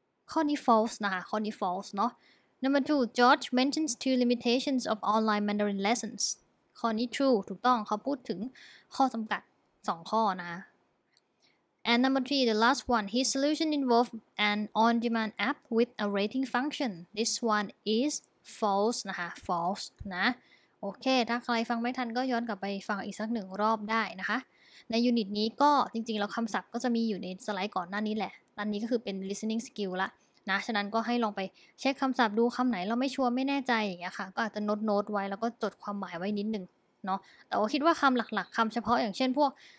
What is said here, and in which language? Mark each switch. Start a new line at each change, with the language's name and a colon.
Thai: ข้อนี้ false นะคะข้อนี้ false เนาะ number 2
English: George mentions two limitations of online Mandarin lessons
Thai: ข้อนี้ true ถูกต้องเขาพูดถึงข้อจำกัด2ข้อนะ
English: And number three, the last one, his solution involved an on-demand app with a rating function. This one is false
Thai: นะคะ false นะโอเคถ้าใครฟังไม่ทันก็ย้อนกลับไปฟังอีกสักหนึ่งรอบได้นะคะในยูนิตนี้ก็จริงๆแล้วคำศัพท์ก็จะมีอยู่ในสไลด์ก่อนหน้านี้แหละตอนนี้ก็คือเป็น listening skill ละนะฉะนั้นก็ให้ลองไปเช็คคำศัพท์ดูคำไหนเราไม่ชัวร์ไม่แน่ใจอย่างเงี้ยค่ะก็อาจจะโน้ตไว้แล้วก็จดความหมายไว้นิดนึงเนาะแต่ว่าคิดว่าคำหลักๆคำเฉพาะอย่างเช่นพวก